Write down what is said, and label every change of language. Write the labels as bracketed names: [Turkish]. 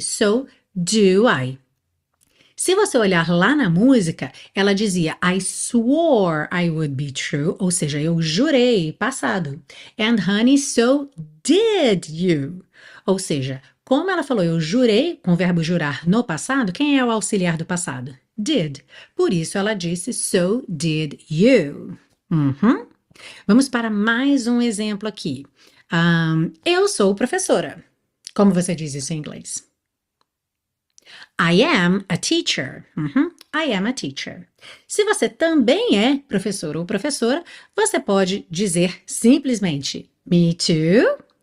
[English] So, do I. [Portuguese] Se você olhar lá na música, ela dizia, [English] I swore I would be true, [Portuguese] ou seja, eu jurei, passado. [English] And honey, so did you. [Portuguese] Ou seja, como ela falou, eu jurei, com o verbo jurar no passado, quem é o auxiliar do passado? [English] Did. [Portuguese] Por isso ela disse, [English] so did you. Uhum. [Portuguese] Vamos para mais um exemplo aqui. Eu sou professora. Como você diz isso em inglês? [English] I am a teacher. Uhum. I am a teacher. [Portuguese] Se você também é professor ou professora, você pode dizer simplesmente, [English] me too.